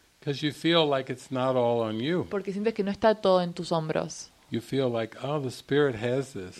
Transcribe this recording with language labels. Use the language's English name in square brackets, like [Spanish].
[English] because you feel like it's not all on you. [Spanish] Porque sientes que no está todo en tus hombros. [English] You feel like, oh, the spirit has this.